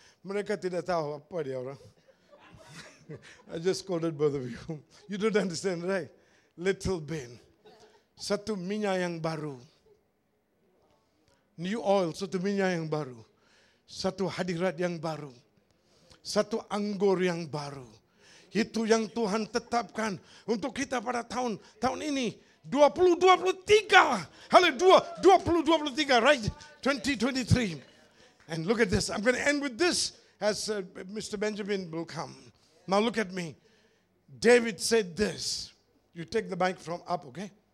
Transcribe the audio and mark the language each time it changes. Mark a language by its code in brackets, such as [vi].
[id] Mereka tidak tahu apa dia orang. [en] I just quoted both of you. You don't understand, right? Little bin. [id] Satu minyak yang baru. [en] New oil, [id] satu minyak yang baru. Satu hadirat yang baru. Satu anggur yang baru. Itu yang Tuhan tetapkan untuk kita pada tahun ini 2023. [en] Halo 2023, right? 2023. And look at this. I'm going to end with this as Mr. Benjamin will come. Now look at me. David said this. You take the mic from up, okay?